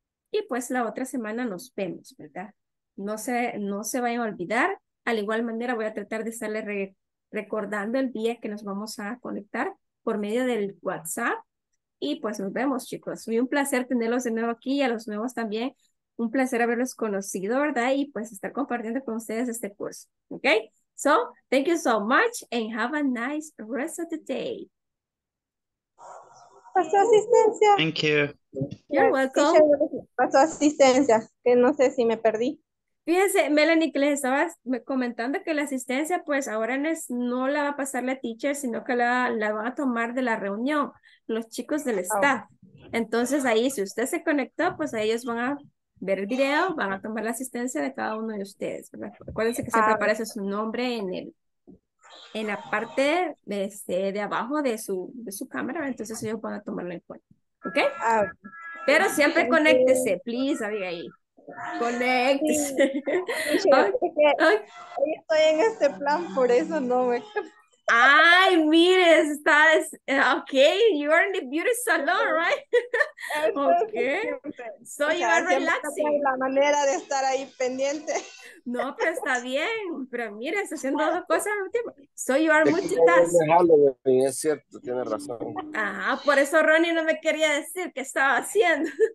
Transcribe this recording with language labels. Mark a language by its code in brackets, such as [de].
[es] Y pues la otra semana nos vemos, ¿verdad? No se vayan a olvidar. Al igual manera voy a tratar de estarle recordando el día que nos vamos a conectar por medio del WhatsApp. Y pues nos vemos, chicos. Fue un placer tenerlos de nuevo aquí y a los nuevos también. Un placer haberlos conocido, ¿verdad? Y pues estar compartiendo con ustedes este curso. ¿Ok? [en] So, thank you so much and have a nice rest of the day. [es] por su asistencia. [en] Thank you. You're welcome. [es] Por su asistencia, que no sé si me perdí. Fíjense, Melanie, que les estaba comentando que la asistencia, pues ahora no la va a pasar la teacher, sino que la van a tomar de la reunión los chicos del staff. Entonces ahí, si usted se conectó, pues ellos van a ver el video, van a tomar la asistencia de cada uno de ustedes, ¿verdad? Acuérdense que siempre aparece su nombre en la parte de abajo de su cámara, entonces ellos van a tomarlo en cuenta, ¿ok? Pero siempre conéctese, please, Abigail. Conéctese. Sí. Hoy estoy en este plan, por eso no me... Ay, mire, estás, [en] okay, you are in the beauty salon, right? Okay, so you are relaxing. [es] La manera de estar ahí pendiente. No, pero está bien, pero mire, está haciendo dos cosas al tiempo. [en] So you are multitasking. [es] Es cierto, tienes razón. Ajá, por eso Ronnie no me quería decir qué estaba haciendo.